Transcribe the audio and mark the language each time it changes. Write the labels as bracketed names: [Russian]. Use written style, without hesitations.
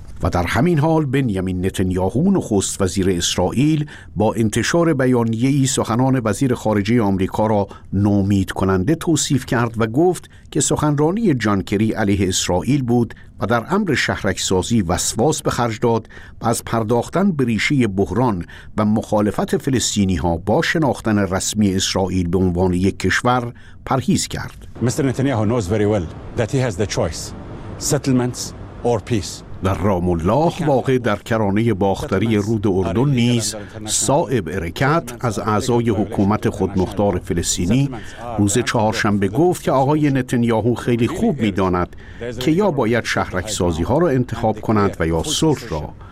[Persian] و در همین حال بنیامین نتانیاهو نخست وزیر اسرائیل با انتشار بیانیه‌ای سخنان وزیر خارجه آمریکا را نومید کننده توصیف کرد و گفت که سخنرانی جان کری علیه اسرائیل بود و در امر شهرک‌سازی وسواس به خرج داد و از پرداختن به ریشه بحران و مخالفت فلسطینی‌ها با شناختن رسمی اسرائیل به عنوان یک کشور پرهیز کرد. [English] Mister Netanyahu knows very well that he has the choice: settlements or peace. [Persian] در رام الله واقع در کرانه باختری رود اردن نیز صائب ارکت از اعضای حکومت خودمختار فلسطینی روز چهارشنبه گفت که آقای نتانیاهو خیلی خوب می‌داند که یا باید شهرک‌سازی‌ها را انتخاب کند و یا صلح را.